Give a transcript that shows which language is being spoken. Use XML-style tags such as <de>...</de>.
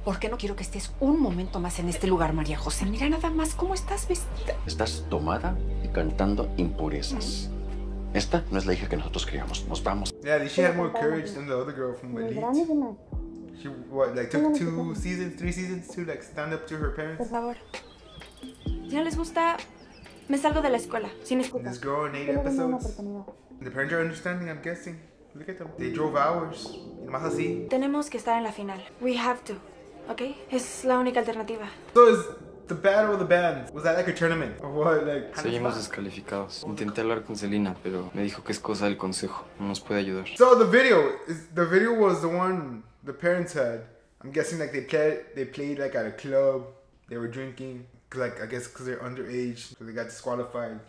<es>¿Por qué no quiero que estés un momento más en este lugar, María José? Mira nada más cómo estás vestida. Estás tomada y cantando impurezas. Esta no es la hija que nosotros criamos. Nos vamos.</es> <en>Yeah, she had more courage than the other girl from Elite. She what, like took three seasons to like stand up to her parents.</en> <es>Por favor. ¿Ya les gusta? Me salgo de la escuela, sin excusa.</es> <en>This girl in 8 episodes. The parents are understanding, I'm guessing. Look at them. They drove hours.</en> <es>Más así. Tenemos que estar en la final.</es> <en>We have to.</en> <es>Okay? Es la única alternativa.</es> <en>So is the battle of the bands. Was that like a tournament? Or what? Like,</en> <es>seguimos descalificados. Intenté hablar con Selena, pero me dijo que es cosa del consejo. No nos puede ayudar.</es> <en>So the video. The video was the one the parents had. I'm guessing like they played like at a club. They were drinking. Like, I guess because they're underage, so they got disqualified.</en>